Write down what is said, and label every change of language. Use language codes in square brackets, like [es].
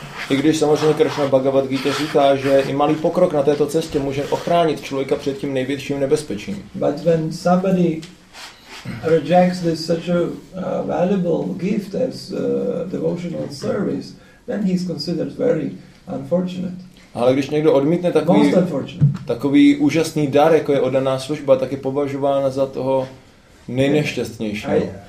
[cs] I když samozřejmě Krishna Bhagavad Gita říká, že i malý pokrok na této cestě může ochránit člověka před tím největším nebezpečím. [en] But when somebody rejects this such a valuable gift as devotional service, then he's considered very unfortunate. [cs] Ale když někdo odmítne takový úžasný dar, jako je oddaná služba, tak je považován za toho nejnešťastnějšího.